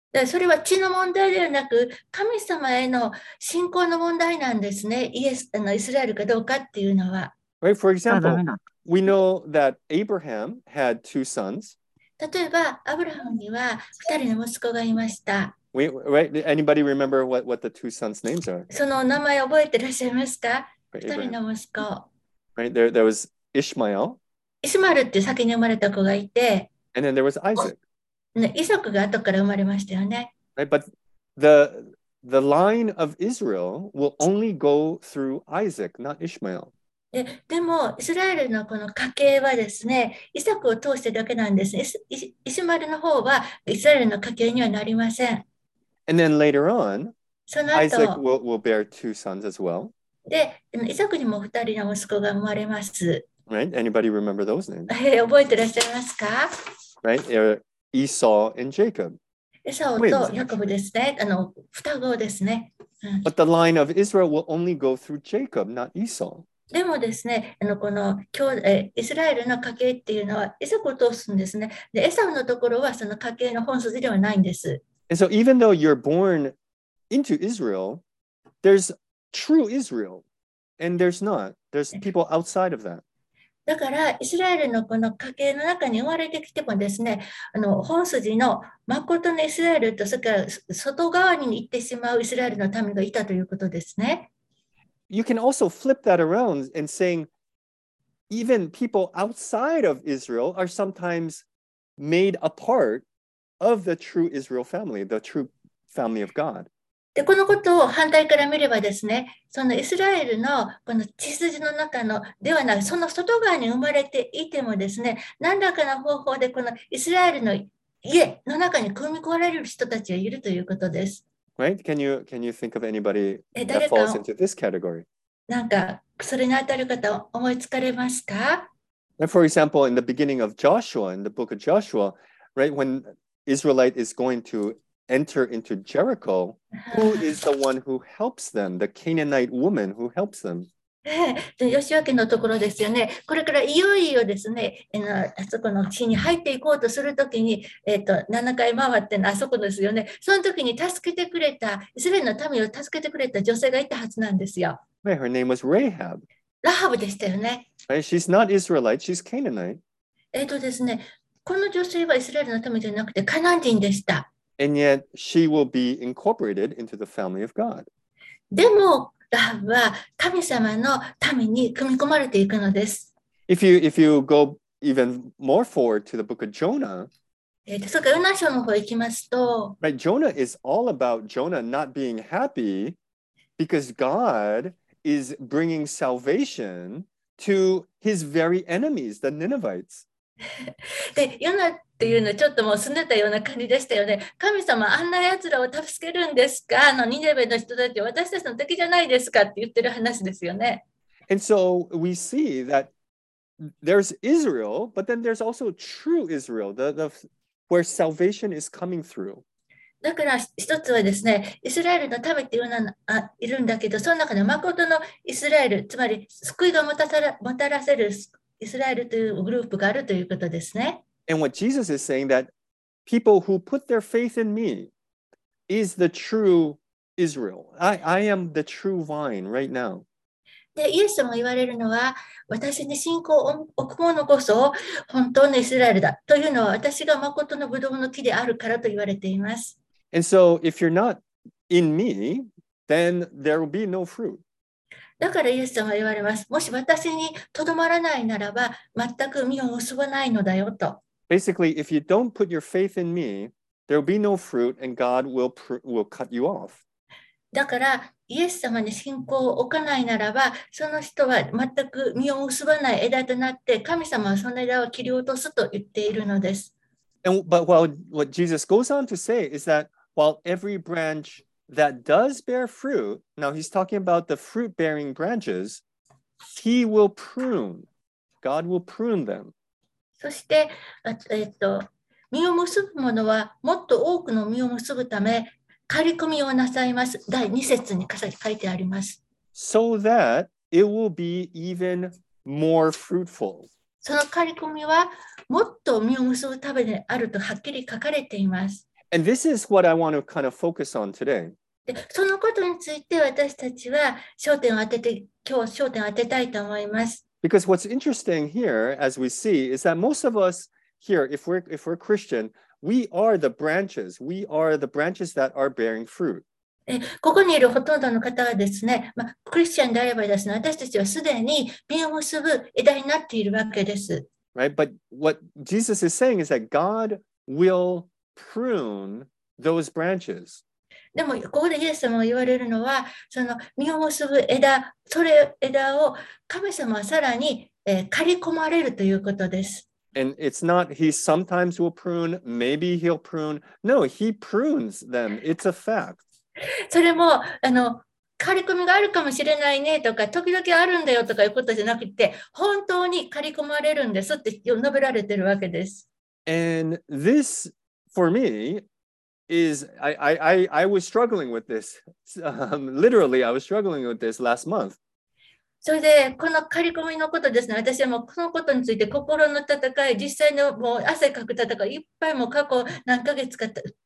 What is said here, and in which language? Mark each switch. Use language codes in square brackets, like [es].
[ja] それは血の問題ではなく神様への信仰の問題なんですね。イスラエルかどうかっていうのは。 [en] Right, for example, we know that Abraham had two sons. [ja] 例えば、アブラハムには二人の息子がいました。 [en] Right, anybody remember what the two sons' names are? [ja] その名前覚えてらっしゃいますか？二人の息子。 [en] Right, there was Ishmael. [ja] イスマルって先に生まれた子がいて。 [en] And then there was Isaac. [ja] イサクが後から生まれましたよね。 [en] Right, but the line of Israel will only go through Isaac, not Ishmael. [ja] でも、イスラエルのこの家系はですね、イサクを通してだけなんです。イシマルの方はイスラエルの家系にはなりません。 [en] And then later on, Isaac will bear two sons as well. [ja] で、イサクにも二人の息子が生まれます。 [en] Right? Anybody remember those names? [ja] 覚えてらっしゃいますか? [en] Right? Esau and Jacob. [ja] Esau and Jacob, ですね。双子ですね。 [en] But the line of Israel will only go through Jacob, not Esau. [ja] でもですね、このイスラエルの家系っていうのは、イサクを通すんですね。で、エサウのところはその家系の本筋ではないんです。 [en] And so even though you're born into Israel, there's true Israel, and there's not. There's people outside of that. [ja] だからイスラエルのこの家系の中に生まれてきてもですね、本筋の誠のイスラエルとそれから外側に行ってしまうイスラエルの民がいたということですね。 [en] You can also flip that around and saying, even people outside of Israel are sometimes made a part of the true Israel family, the true family of God. [ja] でこのことを反対から見ればですね、そのイスラエルのこの血筋の中のではなく、その外側に生まれていてもですね、何らかの方法でこのイスラエルの家の中に組み込まれる人たちがいるということです。 [en] Right? Can you think of anybody that falls into this category? [ja] なんかそれに当たる方思いつかれますか? [en] For example, in the beginning of Joshua, in the book of Joshua, Right? When Israelite is going to enter into Jericho, who is the one who helps them? The Canaanite woman who helps them. [ja] で、ヨシュア家のところですよね。これからいよいよですね、あそこの地に入っていこうとするときに、7回回ってのあそこですよね。そのときに助けてくれた、イスラエルの民を助けてくれた女性がいたはずなんですよ。 [en] Right, her name was Rahab. [ja] ラハブでしたよね。 [en] Right, she's not Israelite, she's Canaanite. [ja] ですね、この女性はイスラエルの民じゃなくてカナン人でした。 [en] And yet she will be incorporated into the family of God. [ja] でも、ラハブは神様の民に組み込まれていくのです。 [en] If you go even more forward to the book of Jonah, [ja] そうか、ヨナ書の方行きますと、 [en] right, Jonah is all about Jonah not being happy because God is bringing salvation to his very enemies, the Ninevites. [ja] で、ヨナっていうのはちょっともう拗ねたような感じでしたよね。神様、あんな奴らを助けるんですか？あのニネベの人たち、私たちの敵じゃないですかって言ってる話ですよね。 [en] And so we see that there's Israel, but then there's also true Israel, the where salvation is coming through. [ja] だから一つはですね、イスラエルの民っていうのがいるんだけど、その中で誠のイスラエル、つまり救いがもたらせるイスラエルというグループがあるということですね。 [en] And what Jesus is saying that people who put their faith in me is the true Israel. I am the true vine right now. [ja] で、イエス様が言われるのは、私に信仰を置く者こそ本当のイスラエルだというのは、私が誠のブドウの木であるからと言われています。 [en] And so, if you're not in me, then there will be no fruit. [ja] だからイエス様は言われます。もし私にとどまらないならば、全く実を結ばないのだよと。 [en] Basically, if you don't put your faith in me, there will be no fruit and God will cut you off. [ja] だからイエス様に信仰を置かないならば、その人は全く実を結ばない枝となって、神様はその枝を切り落とすと言っているのです。 [en] But what Jesus goes on to say is that while every branch that does bear fruit, now he's talking about the fruit-bearing branches, he will prune. God will prune them. [ja] そして、実を結ぶものはもっと多くの実を結ぶため、刈り込みをなさいます。第2節に書いてあります。 [en] So that it will be even more fruitful. [ja] その刈り込みはもっと実を結ぶためであるとはっきり書かれています。 [en] And this is what I want to kind of focus on today. [ja] で、そのことについて私たちは焦点を当てて、今日焦点を当てたいと思います。 [en] Because what's interesting here, as we see, is that most of us here, if we're Christian, we are the branches. We are the branches that are bearing fruit. [ja] ここにいるほとんどの方はですね、まあ、クリスチャンであればですね、私たちはすでに実を結ぶ枝になっているわけです。 [en] Right, but what Jesus is saying is that God will prune those branches. [ja] でも、ここでイエス様が言われるのは、その実を結ぶ枝、それ枝を神様はさらに、刈り込まれるということです。 [en] And it's not, he sometimes will prune, maybe he'll prune. No, he prunes them. It's a fact. [ja] それも刈り込みがあるかもしれないねとか時々あるんだよとかいうことじゃなくて本当に刈り込まれるんですって述べられてるわけです。 [en] And this for me is I was struggling with this. Literally, I was struggling with this last month. [ja] それでこの刈り込みのことですね。私はもうこのことについて心の戦い、実際のもう汗かく戦い、いっぱいもう過去何ヶ月かった。